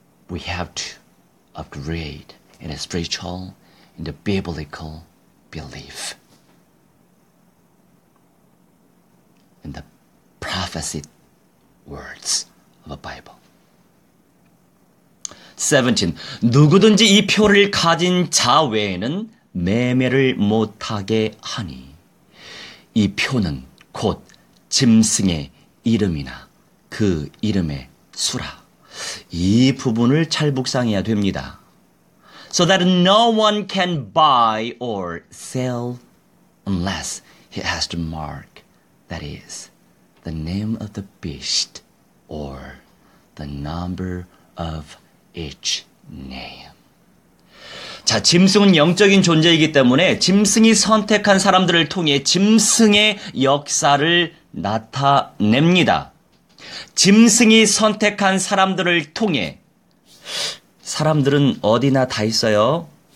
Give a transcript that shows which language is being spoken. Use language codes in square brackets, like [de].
[en] We have to upgrade in a spiritual, in the biblical belief, in the prophecy words of the Bible. 17. [ko] 누구든지 이 표를 가진 자 외에는 매매를 못하게 하니 이 표는 곧 짐승의 이름이나 그 이름의 수라. 이 부분을 잘 묵상해야 됩니다. [en] So that no one can buy or sell unless he has the mark that is the name of the beast or the number of each name. [ko] 자, 짐승은 영적인 존재이기 때문에 짐승이 선택한 사람들을 통해 짐승의 역사를 나타냅니다. 짐승이 선택한 사람들을 통해 사람들은 어디나 다 있어요.